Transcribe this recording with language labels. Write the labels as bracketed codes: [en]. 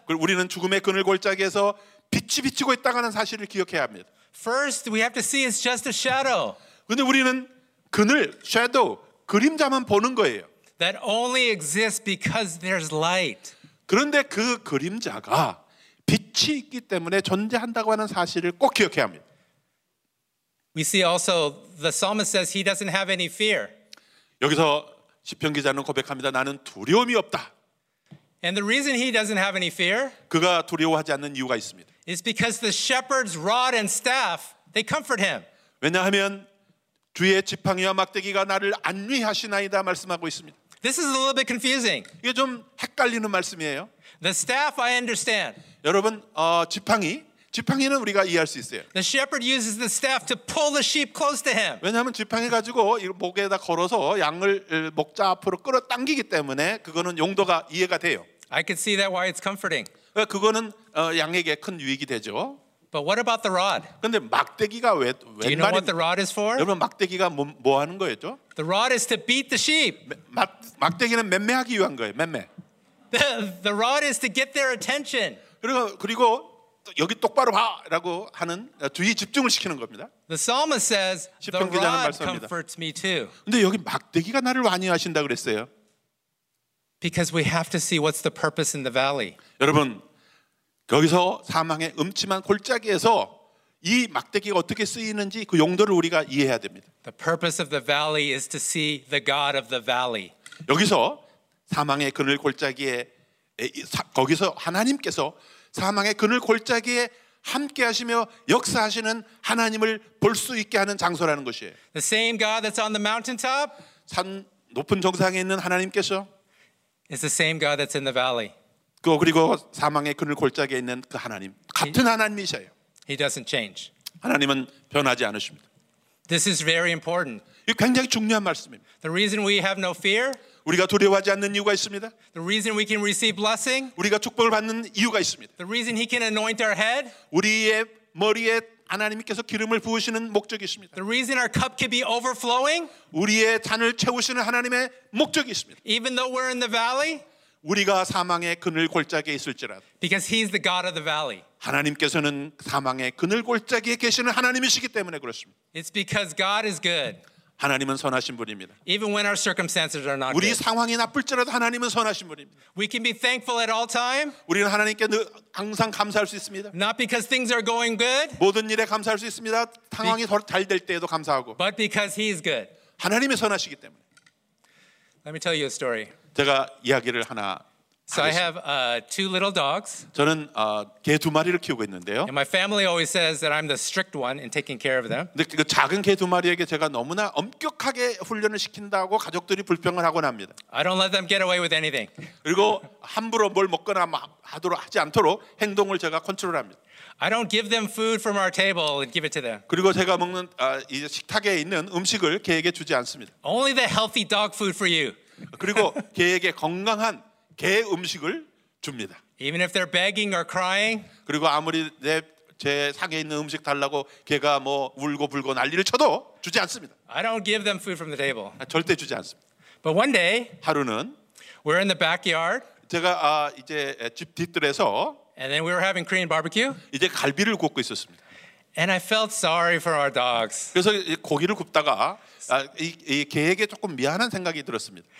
[ko] 우리는 죽음의 그늘 골짜기에서 빛이 비치고 있다는 사실을 기억해야 합니다. [en] First, we have to see it's just a shadow. [ko] 근데 우리는 그늘, shadow, 그림자만 보는 거예요. [en] That only exists because there's light. [ko] 그런데 그 그림자가 빛이 있기 때문에 존재한다고 하는 사실을 꼭 기억해야 합니다. [en] We see also the psalmist says he doesn't have any fear. [ko] 여기서 시편 기자는 고백합니다. 나는 두려움이 없다. [en] And the reason he doesn't have any fear [ko] 그가 두려워하지 않는 이유가 있습니다. [en] is because the shepherd's rod and staff they comfort him. [ko] 왜냐하면 주의 지팡이와 막대기가 나를 안위하시나이다 말씀하고 있습니다. [en] This is a little bit confusing. [ko] 이게 좀 헷갈리는 말씀이에요. [en] The staff I understand. [ko] 여러분 지팡이 지팡이는 우리가 이해할 수 있어요. [en] The shepherd uses the staff to pull the sheep close to him. [ko] 왜냐하면 지팡이 가지고 목에다 걸어서 양을 목자 앞으로 끌어당기기 때문에 그거는 용도가 이해가 돼요. [en] I can see that why it's comforting. [ko] 그거는 양에게 큰 유익이 되죠. [en] But what about the rod? [ko] 근데 막대기가 왜 [en] Do you know what the rod is for? [ko] 여러분 막대기가 뭐 하는 거였죠? [en] The rod is to beat the sheep. [ko] 막대기는 맴매하기 위한 거예요. 맴매. [en] The rod is to get their attention. [ko] 그리고 여기 똑바로 봐라고 하는 주의 집중을 시키는 겁니다. [en] The psalmist says the rod comforts me too. [ko] 근데 여기 막대기가 나를 안위하신다 그랬어요. [en] Because we have to see what's the purpose in the valley. [ko] 여러분 거기서 사망의 음침한 골짜기에서 이 막대기가 어떻게 쓰이는지 그 용도를 우리가 이해해야 됩니다. [en] The purpose of the valley is to see the God of the valley. [ko] 여기서 사망의 그늘 골짜기에 거기서 하나님께서 사망의 그늘 골짜기에 함께 하시며 역사하시는 하나님을 볼 수 있게 하는 장소라는 것이에요. [en] The same God that's on the mountaintop. [ko] 산 높은 정상에 있는 하나님께서 [en] is the same God that's in the valley. [ko] 그리고 사망의 그늘 골짜기에 있는 그 하나님 같은 하나님이셔요. [en] He doesn't change. [ko] 하나님은 변하지 않으십니다. [en] This is very important. [ko] 이 굉장히 중요한 말씀입니다. [en] The reason we have no fear. [ko] 우리가 두려워하지 않는 이유가 있습니다. [en] The reason we can receive blessing. [ko] 우리가 축복을 받는 이유가 있습니다. [en] The reason he can anoint our head. [ko] 우리의 머리에 하나님께서 기름을 부으시는 목적이 있습니다. [en] The reason our cup can be overflowing. [ko] 우리의 잔을 채우시는 하나님의 목적이 있습니다. [en] Even though we're in the valley. [ko] 우리가 사망의 그늘 골짜기에 있을지라도 [en] Because he's the God of the valley. [ko] 하나님께서는 사망의 그늘 골짜기에 계시는 하나님이시기 때문에 그렇습니다. [en] It's because God is good. [ko] 하나님은 선하신 분입니다. [en] Even when our circumstances are not good. [ko] 우리 상황이 나쁠지라도 하나님은 선하신 분입니다. [en] We can be thankful at all time. [ko] 우리는 하나님께 항상 감사할 수 있습니다. [en] Not because things are going good. [ko] 모든 일에 감사할 수 있습니다. 상황이 잘 될 때에도 감사하고. [en] But because he's good. [ko] 하나님이 선하시기 때문에. [en] Let me tell you a story. [ko] 제가 이야기를 하나 [en] So I have two little dogs. [ko] 저는 개 두 마리를 키우고 있는데요. [en] And my family always says that I'm the strict one in taking care of them. [ko] 근데 그 작은 개 두 마리에게 제가 너무나 엄격하게 훈련을 시킨다고 가족들이 불평을 하곤 합니다. [en] I don't let them get away with anything. [ko] 그리고 함부로 뭘 먹거나 하도록 하지 않도록 행동을 제가 컨트롤합니다. [en] I don't give them food from our table and give it to them. [ko] 그리고 제가 먹는 이제 식탁에 있는 음식을 개에게 주지 않습니다. [en] Only the healthy dog food for you. [ko] 그리고 개에게 건강한 개 음식을 줍니다. [en] Even if they're begging or crying. [ko] 그리고 아무리 제 상에 있는 음식 달라고 개가 뭐 울고 불고 난리를 쳐도 주지 않습니다. [en] I don't give them food from the table. [ko] 절대 주지 않습니다. [en] But one day. [ko] 하루는. [en] We're in the backyard. [ko] 제가 이제 집 뒤뜰에서. [en] And then we were having Korean barbecue. [ko] 이제 갈비를 굽고 있었습니다. [en] And I felt sorry for our dogs. [ko] 그래서 고기를 굽다가 이 개에게 조금 미안한 생각이 들었습니다.